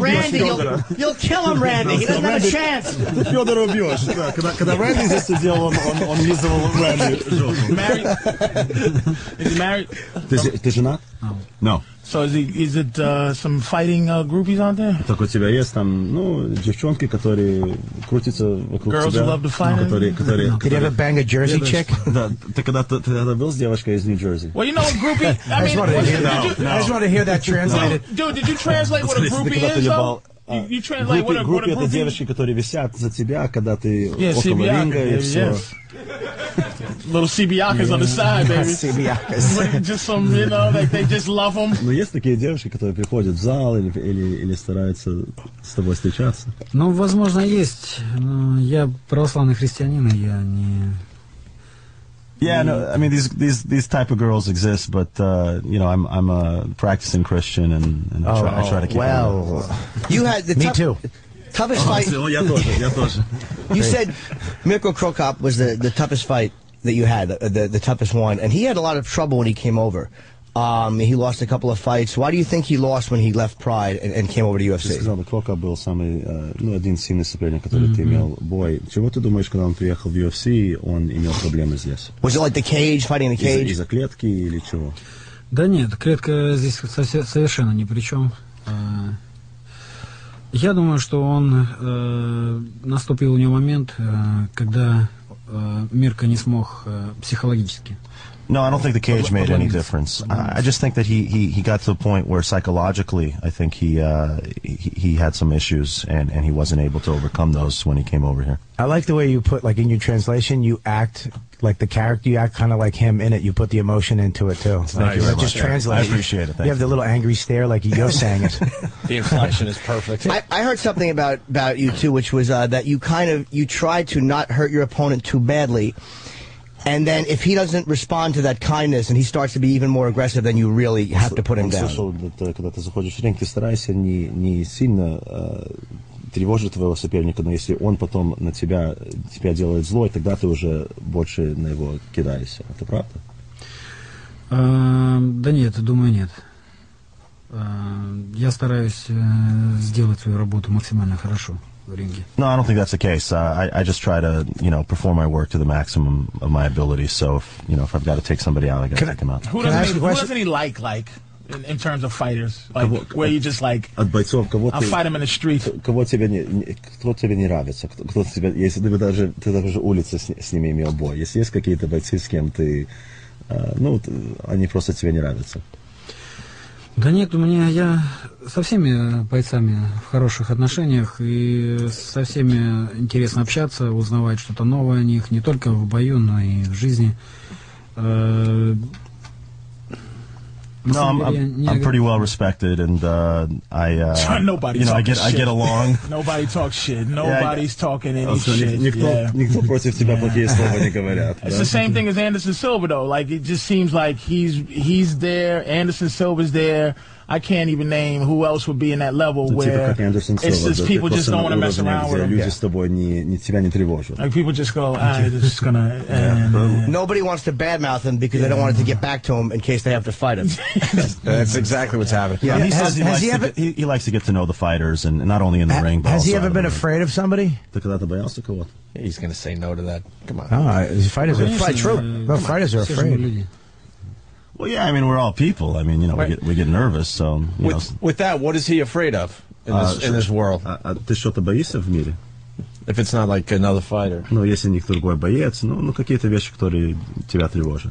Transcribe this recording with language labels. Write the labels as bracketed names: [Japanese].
[English] Randy, you'll kill him, Randy. He doesn't have a chance." [Russian] Fedor убьёшь, да? Когда Randy здесь сидел, он лизывал Randy. [English] Married? Is he married? [Russian] Ты женат? [English] No. No. So is it some fighting groupies out there? [Russian] Так у тебя есть там, ну, девчонки, которые крутятся вокруг [English] Girls [Russian] тебя. [English] Girls love to fight. No, [Russian] которые, [English] did [Russian] которые, [English] you ever bang a Jersey yeah, chick? [Russian] Да, ты когда-то был с девушкой из Нью-Джерси? [English] Well, you know a groupie? I just wanted to hear that translated. Dude, did you translate what a groupie is, though? [Russian] Группи — это девочки, которые висят за тебя, когда ты около ринга и все. [English] Little CBiacas on the side, baby. CBiacas. Just some, you know, like they just love them. [Russian] Но есть такие девушки, которые приходят в зал или стараются с тобой встречаться? Ну, возможно, есть. Но я православный христианин, и я не... [English] Yeah, no. I mean, these type of girls exist, but you know, I'm a practicing Christian, and I try to keep. Well, you had the me too. Toughest fight. You said Mirko Krokop was the toughest fight that you had, the toughest one, and he had a lot of trouble when he came over. He lost a couple of fights. Why do you think he lost when he left Pride and came over to UFC? [Russian] Сказал, Крокоп был самый, ну, один сильный соперник, который ты имел бой. Чего ты думаешь, когда он приехал в UFC, он имел проблемы здесь? [English] Was it like the cage, fighting in the cage? [Russian] Из-за клетки или чего? Да нет, клетка здесь совершенно ни при чем. Я думаю, что он наступил у него момент, когда Мирко не смог психологически. [English] No, I don't think the cage made any difference. I just think that he got to the point where psychologically, I think he had some issues and he wasn't able to overcome those when he came over here. I like the way you put, like, in your translation, you act like the character, you act kind of like him in it. You put the emotion into it, too. Thank nice. You very much. Just translate. I appreciate it. You have the little angry stare like you're saying it. The inflection is perfect. I heard something about you, too, which was that you tried to not hurt your opponent too badly. And then if he doesn't respond to that kindness and he starts to be even more aggressive, then you really have to put him down. [Russian] Он слышал, that, когда ты заходишь в ринг, ты стараешься не сильно тревожить твоего соперника, но если он потом на тебя делает злой, тогда ты уже больше на него кидаешься. Это правда? Да нет, думаю, нет. Я стараюсь сделать свою работу максимально хорошо. [English] No, I don't think that's the case. I just try to, you know, perform my work to the maximum of my ability. So, if, you know, if I've got to take somebody out, I got to take them out. Who doesn't he like in terms of fighters? Like, where you just like, I'll fight him in the street. [Russian] Кто тебе не нравится? Кто тебе, если ты даже улицы с ними имел бой, если есть какие-то бойцы, с кем ты, ну, они просто тебе не нравятся. Да нет, у меня я со всеми бойцами в хороших отношениях и со всеми интересно общаться, узнавать что-то новое о них, не только в бою, но и в жизни. [English] No, I'm pretty well respected, and I get along. Nobody talks shit. Nobody's talking any shit. [Russian] Никто против тебя плохие слова не говорят. [English] It's the same thing as Anderson Silva, though. Like, it just seems like he's there. Anderson Silva's there. I can't even name who else would be in that level where it's just people just don't want to mess around with them. Yeah. Like people just go, just gonna. Nobody wants to badmouth him because they don't want it to get back to him in case they have to fight him. That's exactly what's happening. Yeah. He likes to get to know the fighters, and not only in the ring. Has he ever been afraid of somebody? He's gonna say no to that. Come on. Fighters are afraid. Well, yeah, I mean, we're all people. I mean, you know, we get nervous, so, With that, what is he afraid of in this world? [Russian] Ты что-то боишься в мире? [English] If it's not like another fighter. [Russian] Ну, если не другой боец, ну какие-то вещи, которые тебя тревожат.